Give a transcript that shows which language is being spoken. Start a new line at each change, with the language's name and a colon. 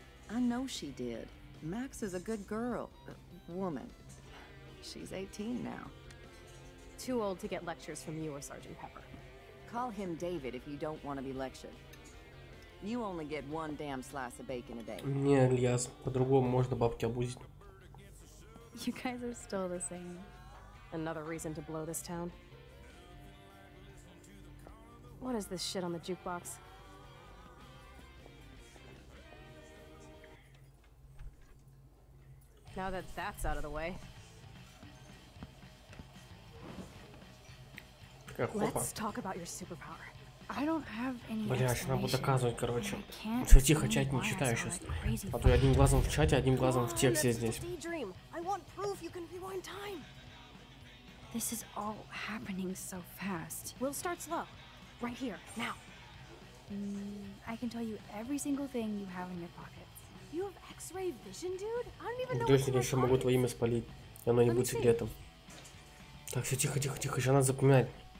English: I know she did. Max is a good girl. Woman. She's 18 now. Too old to get lectures from you or Sergeant Pepper. Call him David if you don't want to be lectured. You only get one damn slice of bacon a day.
Russian: Не, Ильяс, по-другому можно бабки обузить.
English: You guys are still the same. Another reason to blow this town. What is this shit on the jukebox? Now that that's out of the way. Let's talk about your superpower. I don't have any.
Russian: Бля, сейчас надо будет доказывать, короче. Все, тихо, чат не читаю сейчас. А то я одним глазом в чате, одним глазом в тексте здесь.
English: This is all happening so fast. We'll start slow. Right here, now. I can tell you every single thing you have in your pockets. You have X-ray vision, dude? I don't even know.
Russian: Еще могу твое имя спалить. И оно не будет секретом. Так, все, тихо. Сейчас надо запоминать.